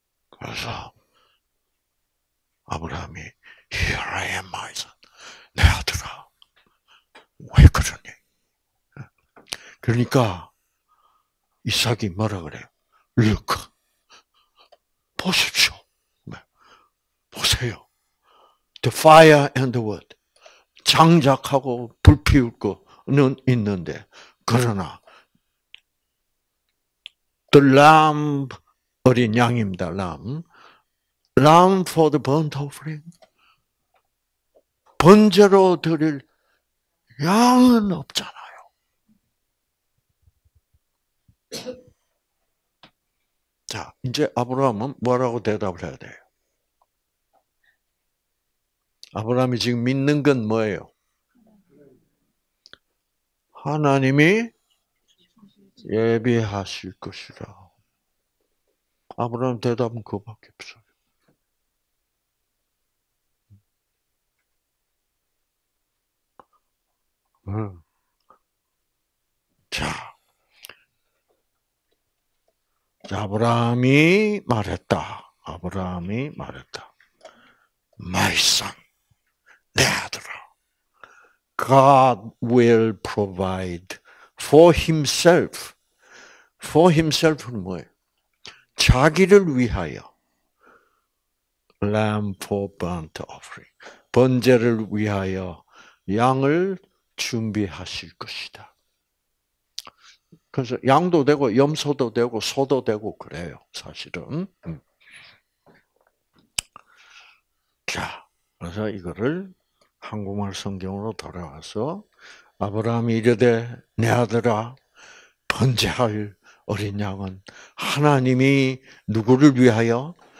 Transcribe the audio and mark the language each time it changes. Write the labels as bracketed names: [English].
[Korean] 그래서, 아브라함이, [English] Here I am, my son. [Korean] 내 아들아. 왜 그러니? 그러니까, 이삭이 뭐라 그래요? [English] Look. [Korean] 보십시오. 보세요. [English] The fire and the wood. [Korean] 장작하고 불 피울 거는 있는데, 그러나, [English] The lamb, [Korean] 어린 양입니다, lamb. [English] Lamb for the burnt offering. [Korean] 번제로 드릴 양은 없잖아요. 자, 이제 아브라함은 뭐라고 대답을 해야 돼요? 아브라함이 지금 믿는 건 뭐예요? 하나님이 예비하실 것이라. 아브라함 대답은 그거밖에 없어요. 자, 아브라함이 말했다. 아브라함이 말했다. [English] My son, [Korean] 내 아들아. [English] God will provide for himself. For himself [Korean] 은 뭐예요? 자기를 위하여. [English] Lamb for burnt offering. [Korean] 번제를 위하여 양을 준비하실 것이다. 그래서 양도 되고 염소도 되고 소도 되고 그래요. 사실은. 자, 그래서 이거를 한국말 성경으로 돌아와서 아브라함이 이르되 내 아들아 번제할 어린 양은 하나님이 누구를 위하여?